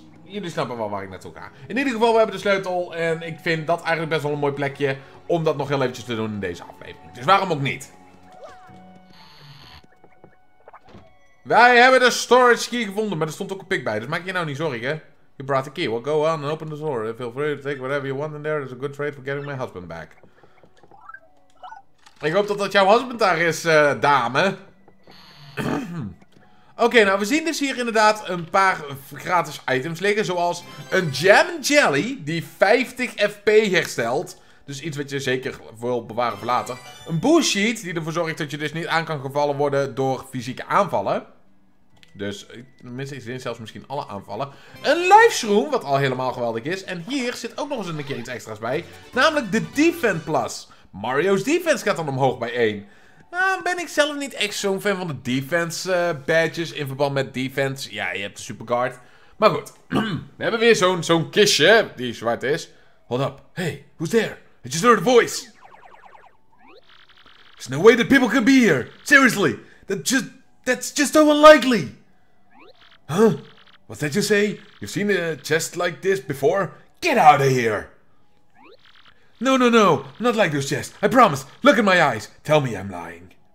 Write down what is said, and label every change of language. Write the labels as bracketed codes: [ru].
[nl] Jullie snappen wel waar ik naartoe ga. In ieder geval, we hebben de sleutel... en ik vind dat eigenlijk best wel een mooi plekje... om dat nog heel eventjes te doen in deze aflevering. Dus waarom ook niet? Wij hebben de storage key gevonden... maar er stond ook een pick bij, dus maak je nou niet zorgen. [en] You brought the key. Well, go on and open the door. Feel free to take whatever you want in there. It's a good trade for getting my husband back. [nl] Ik hoop dat jouw husband daar is, dame. Oké, nou, we zien dus hier inderdaad een paar gratis items liggen. Zoals een Jam & Jelly, die 50 FP herstelt. Dus iets wat je zeker wil bewaren voor later. Een Boost Sheet, die ervoor zorgt dat je dus niet aan kan gevallen worden door fysieke aanvallen. Dus, tenminste, is dit zelfs misschien alle aanvallen. Een Life Shroom, wat al helemaal geweldig is. En hier zit ook nog eens een keer iets extra's bij. Namelijk de Defend Plus. Mario's defense gaat dan omhoog bij 1. Nou, ben ik zelf niet echt zo'n fan van de defense badges in verband met defense. Ja, je hebt de superguard. Maar goed, we hebben weer zo'n kistje die zwart is. [en] Hold up. Hey, who's there? I just heard a voice. There's no way that people can be here. Seriously, that's just so unlikely. Huh? What did you say? You've seen a chest like this before? Get out of here. No, no, no. Not like those chests. I promise. Look in my eyes. Tell me I'm lying.